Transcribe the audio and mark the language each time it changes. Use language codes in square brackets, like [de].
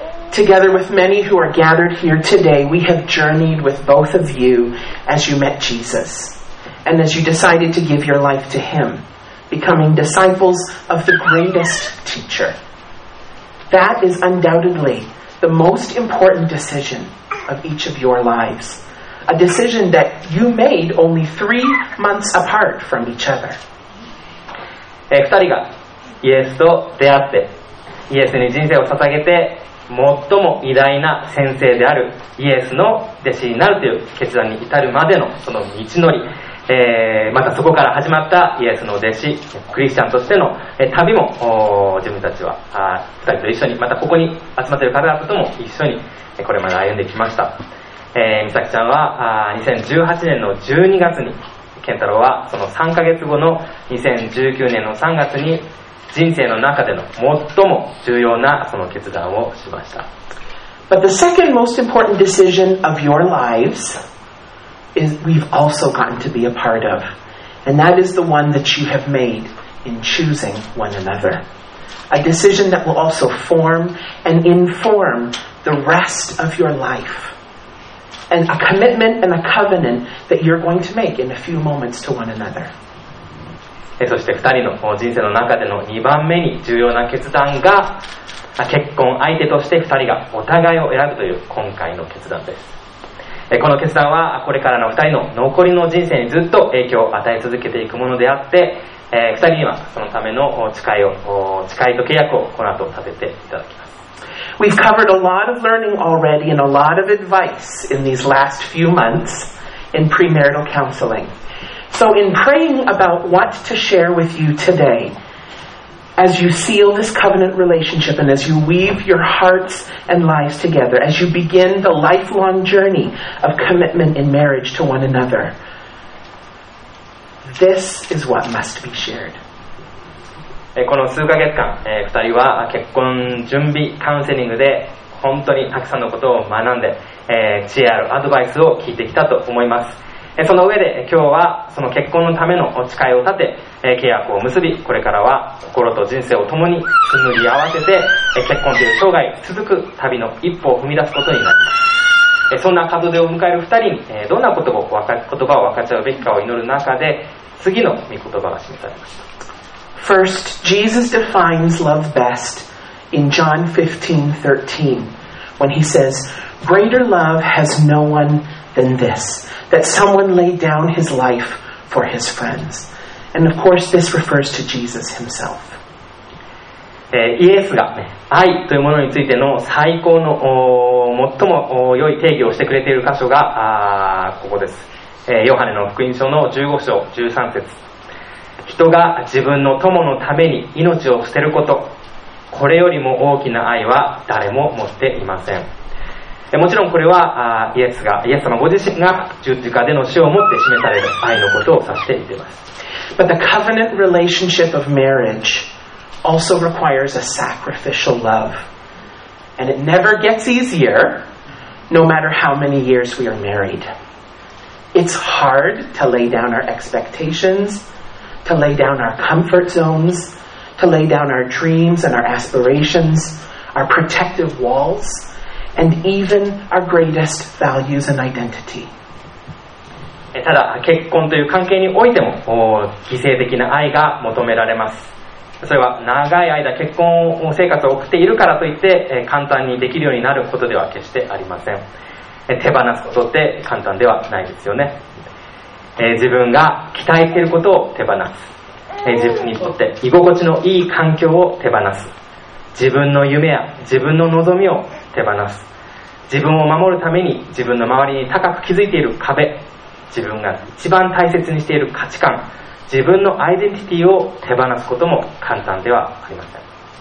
[en] Together with many who are gathered here today, we have journeyed with both of you as you met Jesus and as you decided to give your life to Him, becoming disciples of the greatest teacher. That is undoubtedly the most important decision of each of your lives, a decision that you made only 3 months apart from each other. [ja] 2人がイエスと出会ってイエスに人生を捧げて最も偉大な先生であるイエスの弟子になるという決断に至るまでのその道のり、またそこから始まったイエスの弟子クリスチャンとしての旅も自分たちは2人と一緒にまたここに集まっている方々とも一緒にこれまで歩んできました。美咲ちゃんは2018年の12月に、健太郎はその3ヶ月後の2019年の3月に人生の中での最も重要なその決断をしました。 [en] But the second most important decision of your lives is we've also gotten to be a part of. And that is the one that you have made in choosing one another. A decision that will also form and inform the rest of your life. And a commitment and a covenant that you're going to make in a few moments to one another. [ja] そして2人の人生の中での2番目に重要な決断が、結婚相手として2人がお互いを選ぶという今回の決断です。この決断はこれからの2人の残りの人生にずっと影響を与え続けていくものであって、2人にはそのための誓いと契約をこの後立てていただきます。 [en] We've covered a lot of learning already and a lot of advice in these last few months in premarital counseling. So in praying about what to share with you today, as you seal this covenant relationship and as you weave your hearts and lives together, as you begin the lifelong journey of commitment in marriage to one another, this is what must be shared. [ja] この数ヶ月間、2人は結婚準備カウンセリングで本当にたくさんのことを学んで、知恵あるアドバイスを聞いてきたと思います。その上で今日はその結婚のためのお誓いを立て、契約を結び、これからは心と人生を共に紡ぎ合わせて、結婚という生涯続く旅の一歩を踏み出すことになります。そんな門出を迎える2人に、どんな言葉を分かち合うべきかを祈る中で次の御言葉が示されました。 [en] First, Jesus defines love best in John 15:13, when he says, "Greater love has no one than this, that someone laid down his life for his friends." And of course, this refers to Jesus himself. [ja] イエスが愛というものについての最高の最も良い定義をしてくれている箇所がここです。ヨハネの福音書の15章13節、人が自分の友のために命を捨てること、これよりも大きな愛は誰も持っていません。もちろんこれはイエス様ご自身が十字架での死をもって示される愛のことを指しています。 [en] But the covenant relationship of marriageAlso requires a sacrificial love. And it never gets easier, no matter how many years we are married. It's hard to lay down our expectations, to lay down our comfort zones, to lay down our dreams and our aspirations, our protective walls, and even our greatest values and identity. [ja] ただ、結婚という関係においても、犠牲的な愛が求められます。それは長い間結婚生活を送っているからといって簡単にできるようになることでは決してありません。手放すことって簡単ではないですよね。自分が期待していることを手放す、自分にとって居心地のいい環境を手放す、自分の夢や自分の望みを手放す、自分を守るために自分の周りに高く築いている壁、自分が一番大切にしている価値観、自分のアイデンティティを手放すことも簡単ではありません。